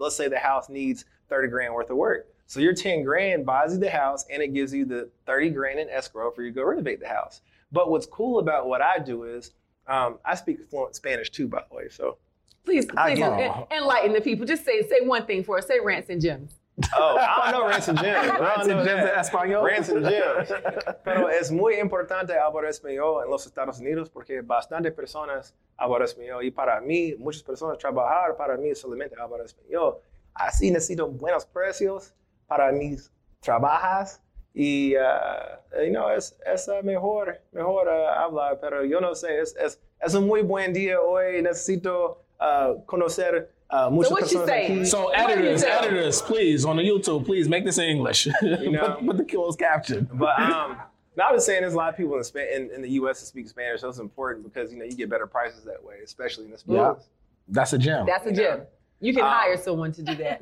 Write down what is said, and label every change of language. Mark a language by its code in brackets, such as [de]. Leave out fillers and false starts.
[en] Let's say the house needs 30 grand worth of work. So your 10 grand buys you the house, and it gives you the 30 grand in escrow for you to go renovate the house. But what's cool about what I do is, I speak fluent Spanish too, by the way, so. Please enlighten the people. Just say one thing for us, say Rants and Gems. Oh, I don't know Rants and Gems. Rants and Gems in Espanol? Rants and Gems. [es] Pero es muy importante hablar español en los Estados Unidos porque bastante personas hablan español. Y para mí, muchas personas trabajar para mí solamente hablar español. Así necesito buenos precios para mis trabajas. Y, [en] you know, [es] es mejor hablar. Pero yo no sé, es un muy buen día hoy. Necesito conocer... [en] So what you say? So editors, please, on the YouTube, please make this in English. You know, put the closed caption. But now I was saying there's a lot of people in the U.S. that speak Spanish. So it's important because, you know, you get better prices that way, especially in this business. Yeah. That's a gem. That's a gem. You can hire someone to do that.